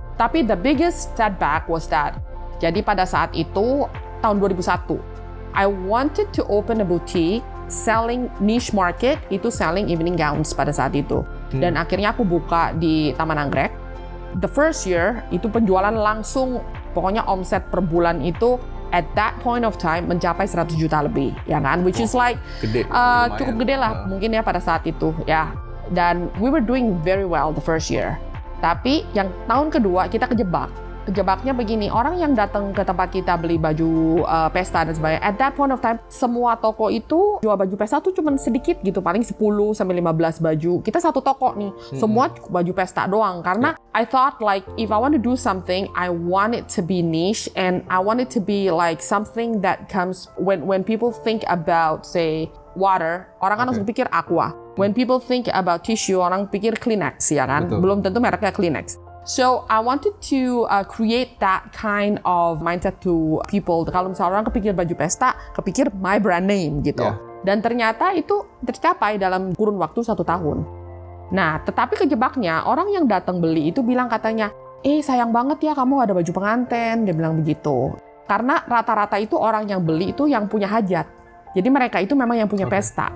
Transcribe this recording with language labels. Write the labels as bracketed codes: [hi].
[id] Tapi [en] the biggest setback was that. [id] Jadi pada saat itu tahun 2001, [en] I wanted to open a boutique selling niche market, [id] itu [en] selling evening gowns [id] pada saat itu. Dan akhirnya aku buka di Taman Anggrek. [en] The first year [id] itu penjualan langsung, pokoknya omset per bulan itu [en] at that point of time [id] mencapai 100 juta lebih, ya kan? [en] Which is like [id] gede, cukup gede lah mungkin ya pada saat itu, ya. Dan [en] we were doing very well the first year. [id] Tapi yang tahun kedua kita kejebak. Kejebaknya begini, orang yang datang ke tempat kita beli baju pesta dan sebagainya, [en] at that point of time, [id] semua toko itu jual baju pesta tuh cuma sedikit gitu, paling 10-15 baju. Kita satu toko nih, semua baju pesta doang. [en] Karena I thought like, if I want to do something, I want it to be niche, and I want it to be like something that comes when people think about, say, water, [id] orang kan langsung pikir aqua. [en] When people think about tissue, [id] orang pikir Kleenex, ya kan? Betul. Belum tentu mereknya Kleenex. [en] So, I wanted to create that kind of mindset to people. [id] Kalau misalnya orang kepikir baju pesta, kepikir [en] my brand name, [id] gitu. [en] Yeah. [id] Dan ternyata itu tercapai dalam kurun waktu 1 tahun. Nah, tetapi kejebaknya, orang yang datang beli itu bilang katanya, sayang banget ya kamu ada baju pengantin, dia bilang begitu. Karena rata-rata itu orang yang beli itu yang punya hajat. Jadi mereka itu memang yang punya pesta.